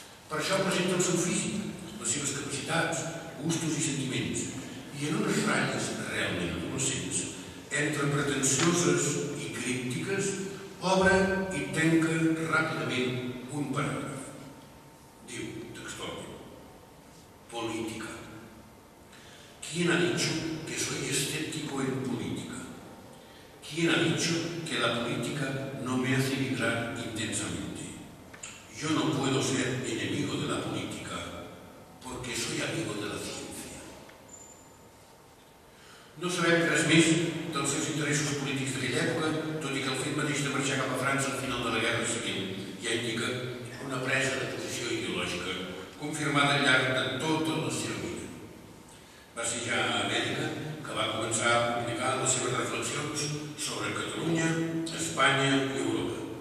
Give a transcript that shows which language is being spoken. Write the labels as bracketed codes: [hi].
[ca] Per això presenta el seu físic, les seves capacitats, gustos i sentiments, i en unes ratlles realment adolescents, entre pretensioses i críptiques, obre i tanca ràpidament un paràgraf. Diu, textualment, política. [es] ¿Quién ha dicho que soy escéptico en política? ¿Quién ha dicho que la política no me hace vibrar intensamente? Yo no puedo ser enemigo de la política porque soy amigo de la ciencia. [ca] No sabem res més dels seus interessos polítics d'aquella època, tot i que el fet mateix de marxar cap a França al final de la Guerra Civil ja indica una presa de posició ideològica confirmada al llarg de tota la seva vida. Va ser ja a Amèrica que va començar a publicar les seves reflexions sobre Catalunya, Espanya i Europa.